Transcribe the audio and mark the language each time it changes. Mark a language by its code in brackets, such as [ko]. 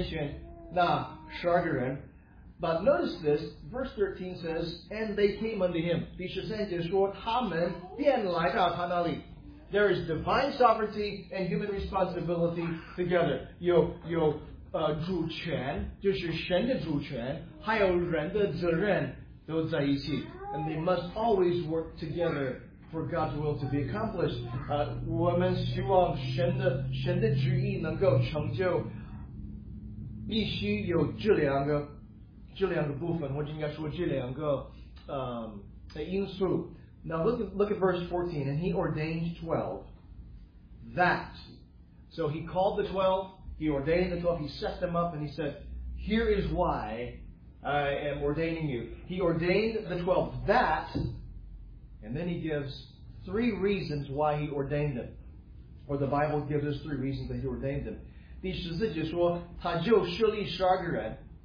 [zh] 主耶稣基督拣选了他呼召他们来到他那里就是他的权柄他的权利而不是他们他没有拣选自己来到耶稣那里而是耶稣拣选那十二个人 [en] But notice this, verse 13 says, And they came unto him. [zh] 第十三节说他们便来到他那里 [en] There is divine sovereignty and human responsibility together. [zh] 有主权,就是神的主权,还有人的责任都在一起. [en] And they must always work together for God's will to be accomplished. [zh] 我们希望神的旨意能够成就,必须有这两个部分,或者应该说这两个因素。 [en] Now look at verse 14, and he ordained 12. That. So he called the 12, he ordained the 12, he set them up, and he said, here is why I am ordaining you. He ordained the 12. That. And then he gives three reasons why he ordained them. Or the Bible gives us three reasons that he ordained them. [zh] 第十四节说,他就设立十二个人.